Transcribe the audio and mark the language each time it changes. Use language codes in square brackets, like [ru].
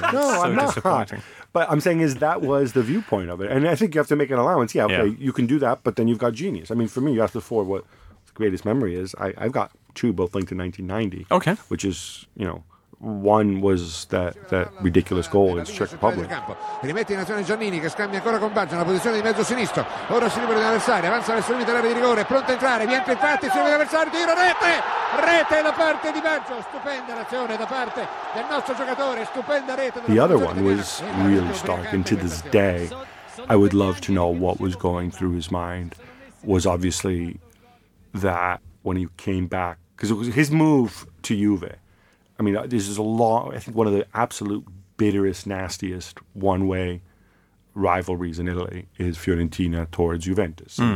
[en] No, so I'm not. Disappointing. But I'm saying is that was the viewpoint of it. And I think you have to make an allowance. Yeah, okay, yeah. You can do that, but then you've got genius. I mean, for me, you asked before what the greatest memory is. I've got two, both linked to 1990. Okay. Which is, you know, One was that ridiculous goal against Czech Republic. [it] Rimette in azione Giannini che scambia ancora con Baggio nella posizione di mezzo sinistro. Ora si libera dell'avversario, avanza verso il limite dell'area di rigore, pronto a entrare, viene entrato, si libera dell'avversario, tiro, rete! Rete da parte di Baggio, stupenda l'azione da parte del nostro giocatore, stupenda rete. [en] The other one was really stark, and to this day I would love to know what was going through his mind. Was obviously that when he came back, because it was his move to Juve. I mean, this is a long, I think one of the absolute bitterest, nastiest one-way rivalries in Italy is Fiorentina towards Juventus. Mm.